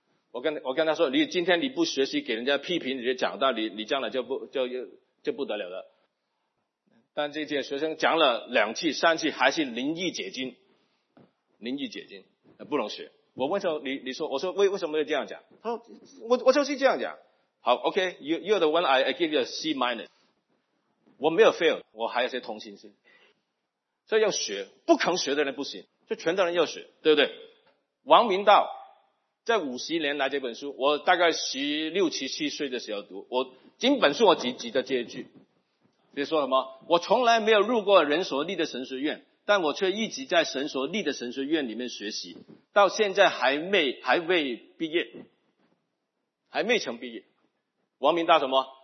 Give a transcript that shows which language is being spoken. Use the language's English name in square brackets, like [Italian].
[Chinese] 我跟他说，你今天你不学习给人家批评，你就讲道，你将来就不得了了。但这些学生讲了两次三次还是临意解经，不能学。我问说你说我说为什么要这样讲，他说我就是这样讲。 [English] 好 ,OK, you're the one I give you a C minus. [Chinese] 我没有 fail, 我还有些同情心。所以要学，不肯学的人不行，就全的人要学，对不对？王明道在50年来这本书，我大概16、17岁的时候读，我整本书我急着接一句，比如说什么，我从来没有入过人所立的神学院，但我却一直在神所立的神学院里面学习，到现在还未毕业，还没成毕业。王明到什么？